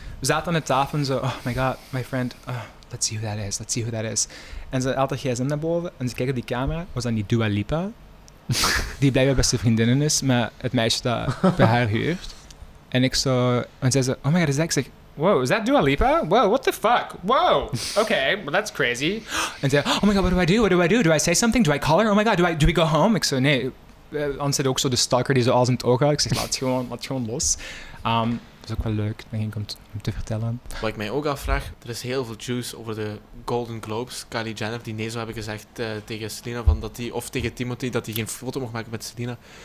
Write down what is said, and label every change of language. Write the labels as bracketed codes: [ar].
[nl] We zaten aan de tafel en zo, [en] oh my god, my friend, let's see who that is. [nl] En ze haalt haar gsm naar boven en ze kijkt op die camera, was dan die Dua Lipa, die blijkbaar beste vriendinnen is, maar het meisje dat bij haar huurt. En ik zo, en zei ze, oh my god, is dat? Ik zeg, [en] wow, is that Dua Lipa? Wow, what the fuck? Wow, okay, well that's crazy. [nl] En ze, [en] oh my god, what do I do? Do I say something? Do I call her? Oh my god, do we go home? [nl] Ik zo, nee. Anders zit ook zo de stalker die zo alles in het oog houdt. Ik zeg, laat gewoon los. Dat is ook wel leuk, denk ik, om te vertellen. Wat ik mij ook afvraag, er is heel veel juice over de Golden Globes. Kylie Jenner, die nee zou hebben gezegd tegen Selena, van dat die, of tegen Timothy, dat hij geen foto mocht maken met Selena.